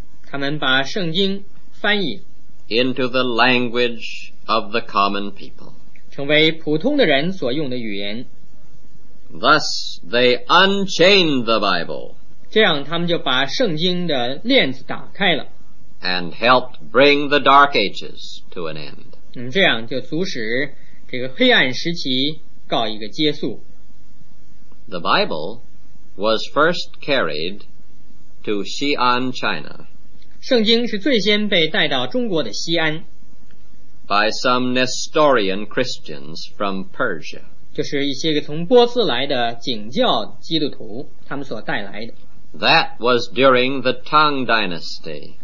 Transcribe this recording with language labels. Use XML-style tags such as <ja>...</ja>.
<zh>他们把圣经翻译</zh> <en>into the language of the common people,</en> <zh>成为普通的人所用的语言。</zh> <en>Thus, they unchained the Bible.</en> <zh>这样他们就把圣经的链子打开了。</zh> <en>And helped bring the Dark Ages to an end.</en> <zh>这样就阻止这个黑暗时期告一个结束。</zh> <en>The Bible was first carried to Xi'an, China.</en> <zh>圣经是最先被带到中国的西安。</zh> <en>By some Nestorian Christians from Persia.</en> <zh>就是一些个从波斯来的景教基督徒他们所带来的。</zh> <en>That was during the Tang Dynasty.</en>